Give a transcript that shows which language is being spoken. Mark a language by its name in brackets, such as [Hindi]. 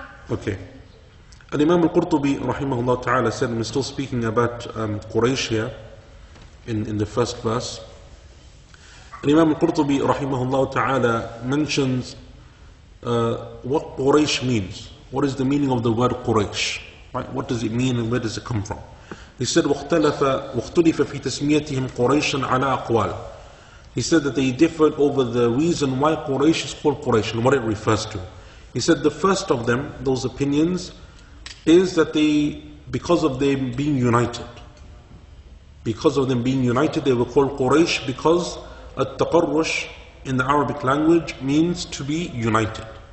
[English] Okay. And Imam Al-Qurtubi, rahimahullah ta'ala, said, and we're still speaking about Quraysh here, in the first verse. And Imam Al-Qurtubi, rahimahullah ta'ala, mentions what Quraysh means. What is the meaning of the word Quraysh? Right? What does it mean and where does it come from? He said, [Arabic] وَاخْتُلِفَ فِي تَسْمِيَتِهِمْ قُرَيْشًا عَلَىٰ أَقْوَالٍ. [English] He said that they differed over the reason why Quraysh is called Quraysh and what it refers to. He said the first of them, those opinions, is that they, because of them being united, they were called Quraysh because التقرش in the Arabic language means to be united.